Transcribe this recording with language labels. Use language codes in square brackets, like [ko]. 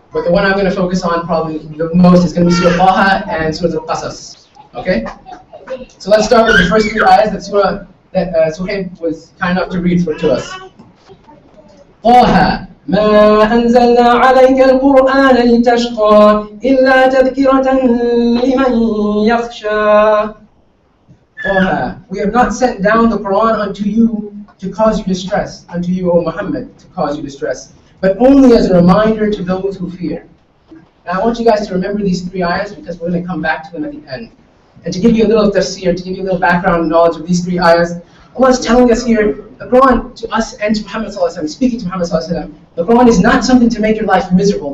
[en] But the one I'm going to focus on probably the most is going to be Surah Taha and Surah Al-Qasas. Okay? So let's start with the first few ayahs that Suhaib was kind enough to read to us. Taha. [ar] ما أنزلنا عليك القرآن لتشقى إلا تذكرة لمن يخشى. طه. [en] We have not sent down the Quran unto you to cause you distress, unto you, O Muhammad, to cause you distress, but only as a reminder to those who fear. Now I want you guys to remember these three ayahs because we're going to come back to them at the end. And to give you a little tafsir, to give you a little background knowledge of these three ayahs, Allah is telling us here, the Quran to us and to Muhammad sallallahu alaihi wasallam, speaking to Muhammad sallallahu alaihi wasallam, the Quran is not something to make your life miserable.